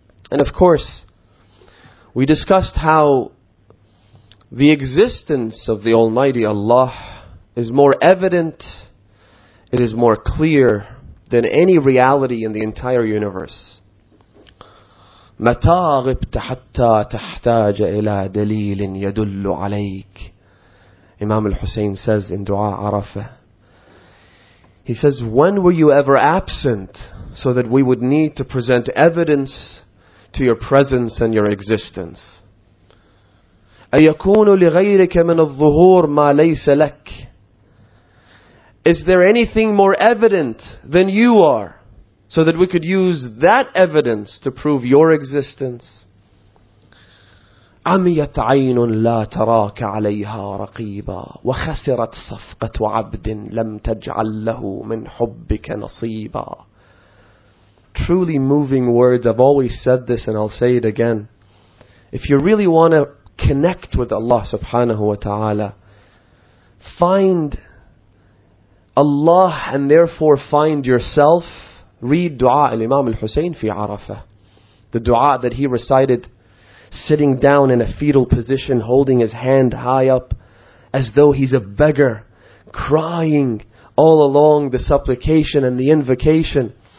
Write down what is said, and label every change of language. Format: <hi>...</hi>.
<en>And of course, we discussed how the existence of the Almighty Allah is more evident, it is more clear than any reality in the entire universe.</en> <ar>مَتَى غِبْتَ حَتَّى تَحْتَاجَ إِلَىٰ دَلِيلٍ يَدُلُّ عَلَيْكَ,</ar> <en>Imam al-Hussein says in Dua Arafah. He says, when were you ever absent so that we would need to present evidence to your presence and your existence?</en> <ar>أَيَكُونُ لِغَيْرِكَ مِنَ الظُّهُورِ مَا لَيْسَ لَكَ.</ar> <en>Is there anything more evident than you are, so that we could use that evidence to prove your existence?</en> <ar>عميت عين لا تراك عليها رقيبا وخسرت صفقة عبد لم تجعل له من حبك نصيبا.</ar> <en>Truly moving words. I've always said this and I'll say it again. If you really want to connect with Allah subhanahu wa ta'ala, find Allah and therefore find yourself. Read dua al-Imam al-Hussein fi Arafah, the dua that he recited sitting down in a fetal position, holding his hand high up as though he's a beggar, crying all along the supplication and the invocation.</en>